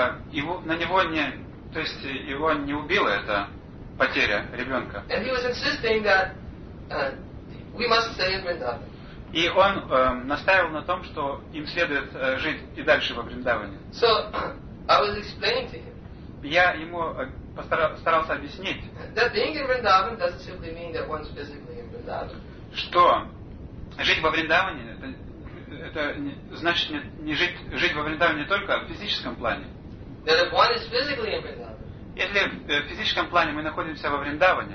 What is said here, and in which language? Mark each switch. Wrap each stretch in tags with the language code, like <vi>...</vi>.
<ru>Его, на него не, то есть его не убила эта потеря ребенка.</ru> <en>And he was insisting that, we must stay in Vrindavan.</en> <ru>И он настаивал на том, что им следует жить и дальше во Вриндаване.</ru> <en>So, I was explaining to him.</en> <ru>Я ему старался объяснить,</ru> <en>that being in Vrindavan doesn't simply mean that one's physically in Vrindavan.</en> <ru>Что жить во Вриндаване это не, значит не жить во Вриндаване только в физическом плане.</ru> <en>That if one is physically in Vrindavan.</en> <ru>Если в физическом плане мы находимся во Вриндаване,</ru>